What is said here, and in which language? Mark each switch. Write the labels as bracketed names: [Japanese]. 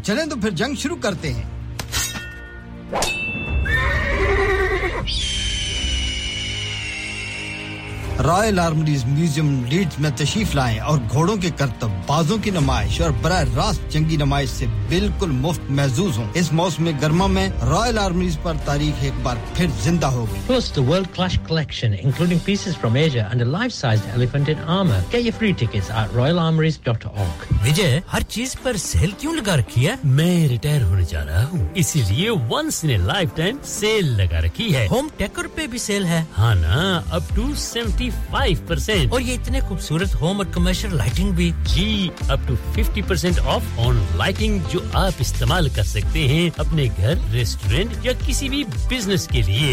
[Hindi] चलें तो फिर जंग शुरू करते हैं रॉयल आर्मरीज म्यूजियम लीड्स में تشریف लाएं और घोड़ों के करतब बाजों की नमाइश और बड़ा रास्त जंगी नमाइश से बिल्कुल मुफ्त महसूस हों इस मौसम में गर्मा में रॉयल आर्मरीज पर तारीख एक बार फिर जिंदा होगी [English] plus the world class collection including pieces from asia and a life sized elephant in armor get your free tickets at royalarmories.org [Hindi] विजय हर चीज पर सेल क्यों लगा रखी है मैं रिटायर होने जा रहा हूं इसीलिए [English] once in a lifetime sale [Hindi] लगा रखी है होम डेकोर पे भी सेल है हां ना [English] up to 75% [Hindi] और ये इतने खूबसूरत होम और कमर्शियल लाइटिंग भी जी [English] up to 50% off on lighting [Hindi] जो आप इस्तेमाल कर सकते हैं अपने घर रेस्टोरेंट या किसी भी बिजनेस के लिए